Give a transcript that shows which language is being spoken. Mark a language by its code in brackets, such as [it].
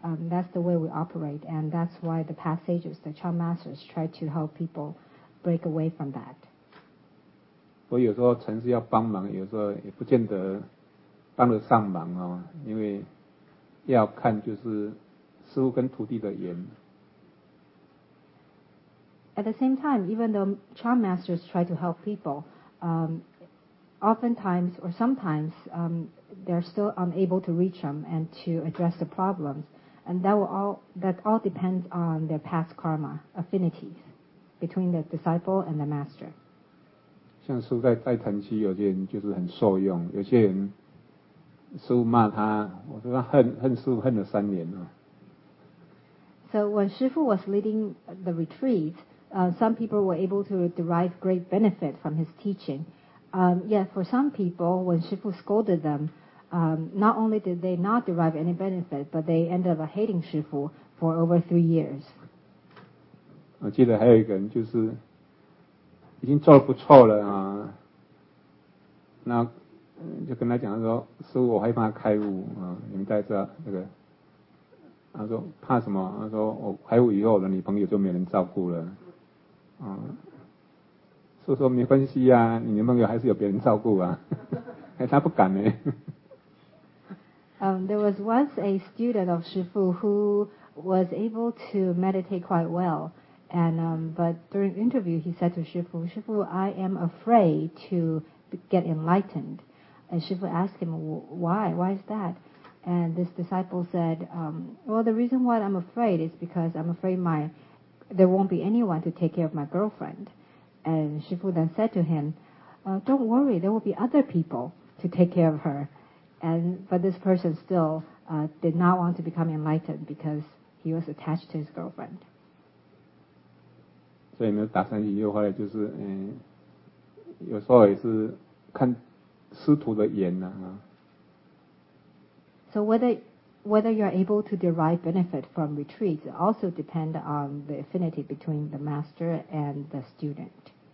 [en] That's the way we operate, and that's why the past sages, the Chan masters, try to help people break away from that. [zh] 我有时候禅师要帮忙，有时候也不见得帮得上忙哦，因为要看就是师父跟徒弟的缘。 [en] At the same time, even though Chan masters try to help people, oftentimes or sometimes they're still unable to reach them and to address the problems. And that all depends on their past karma, affinities between the disciple and the master. [zh] 像师父在禅期，有些人就是很受用，有些人师父骂他，我说他恨师父恨了三年了。 [en] So when 师父 was leading the retreat, some people were able to derive great benefit from his teaching. Yet for some people, when 师父 scolded them,not only did they not derive any benefit, but they ended up hating 师父 for over 3 years. [zh] 我记得还有一个人就是已经做得不错了啊，那就跟他讲说，师父我害怕开悟啊，你们在这那个，他说怕什么？他说我开悟以后，我的女朋友就没有人照顾了。师父说没关系啊，你女朋友还是有别人照顾啊。哎，他不敢呢。 [en] There was once a student of Shifu who was able to meditate quite well. But during interview, he said to Shifu, Shifu, I am afraid to get enlightened. And Shifu asked him, why? Why is that? And this disciple said, the reason why I'm afraid is because I'm afraid there won't be anyone to take care of my girlfriend. And Shifu then said to him, don't worry, there will be other people to take care of her. But this person still did not want to become enlightened because he was attached to his girlfriend. So, you know, [zh] 打三句又后来就是，有时候也是看师徒的缘呐。 [en] So whether you are able to derive benefit from retreats also depend on the affinity between the master and the student.